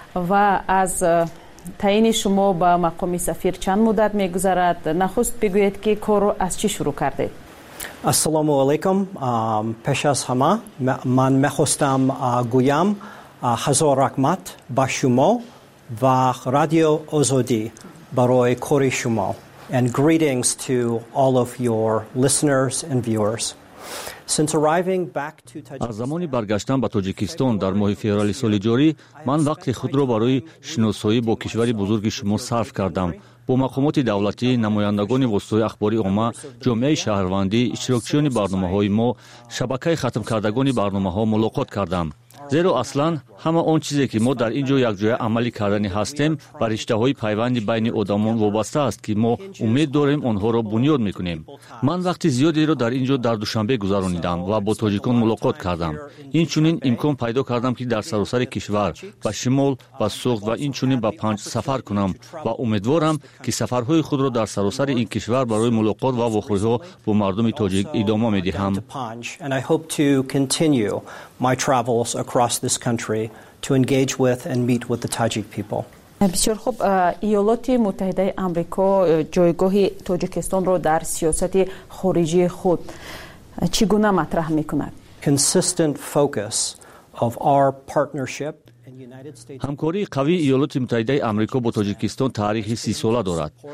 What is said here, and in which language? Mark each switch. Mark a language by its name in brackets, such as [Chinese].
[Persian] و از تعیین شما به مقام سفیر چند مدت میگذرد؟ نخست بگویید که کارو از چی شروع کردید؟ السلام علیکم. پیش از همه من میخواستم گویم هزار رحمت با شما و رادیو آزادی برای کاری شما. [English] And greetings to all of your listeners and viewers. Since arriving back to Tajikistan, [Persian] از زمانی برگشتم به تاجیکستان در ماه فوریه سال جاری، من وقت خود را برای شناسایی با کشوری بزرگ شما صرف کردم. با مقامات دولتی، نمایندگان واسطه اخباری عامه، جامعه شهروندی، اشتراکچیان برنامه‌های ما، شبکه ختم کردگان برنامه‌ها ملاقات کردم. زیرا اصلا همه آن چیزی که ما در اینجا یک جای عملی کردنی هستیم و رشته های پیوندی بین آدمان وابسته است که ما امید داریم آنها را بنیاد میکنیم. من وقتی زیادی را در اینجا در دوشنبه گذرانیدم و با تاجیکان ملاقات کردم. این چونین امکان پیدا کردم که در سراسر کشور به شمال، به سوخت و این چونین به پنج سفر کنم و امیدوارم که سفرهای خود را در سراسر این کشور برای ملاقات و واخوری ها با مردم تاجیک ادامه میدهم. [English] My travels across this country to engage with and meet with the Tajik people. [Persian] بسیار خوب. ایالات متحده آمریکا جایگاه تاجیکستان را در سیاست خارجی خود چگونه مطرح میکند؟ [English] Consistent focus of our partnership. [Persian] همکاری قوی ایالات متحده آمریکا با تاجیکستان تاریخی 30 ساله دارد.